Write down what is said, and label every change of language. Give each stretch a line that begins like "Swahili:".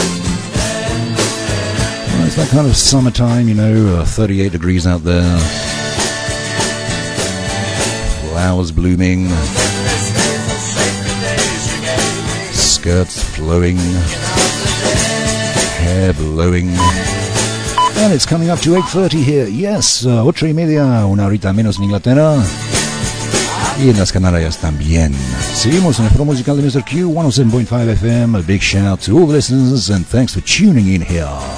English: Well, it's that kind of summertime, you know, 38 degrees out there, flowers blooming, skirts flowing, hair blowing, and it's coming up to 8:30 here.
Spanish: Yes, 8:30, una horita menos en Inglaterra y en las Canarias también. Seguimos en el foro musical de Mr. Q, 107.5 FM.
English: A big shout out to all the listeners and thanks for tuning in here.